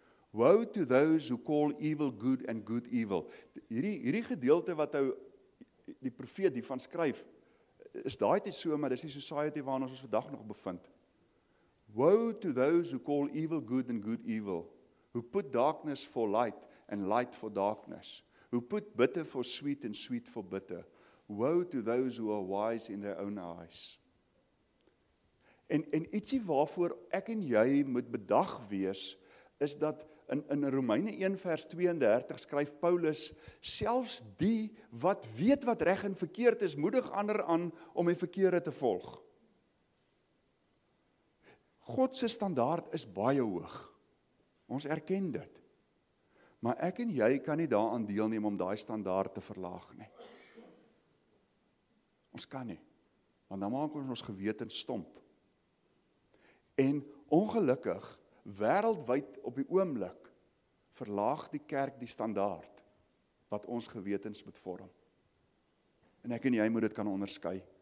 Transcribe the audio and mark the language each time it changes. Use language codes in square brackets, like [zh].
[en] Woe to those who call evil good and good evil. [af] Hierdie gedeelte wat hy, die profeet die van skryf, is daai tyd so, maar dis nie society waarin ons vandag nog bevind. [en] Woe to those who call evil good and good evil, who put darkness for light and light for darkness, who put bitter for sweet and sweet for bitter. Woe to those who are wise in their own eyes. [af] En ietsie waarvoor ek en jy moet bedag wees, is dat in Romeine 1 vers 32 skryf Paulus, selfs die wat weet wat reg en verkeerd is, moedig ander aan om die verkeerde te volg. God se standaard is baie hoog. Ons erken dit. Maar ek en jy kan nie daaraan deelneem om daai standaard te verlaag nie. Ons kan nie. Want dan maak ons gewetens stomp. En ongelukkig, wêreldwyd op die oomblik, verlaag die kerk die standaard wat ons gewetens moet vorm. En ek en jy moet dit kan onderskei.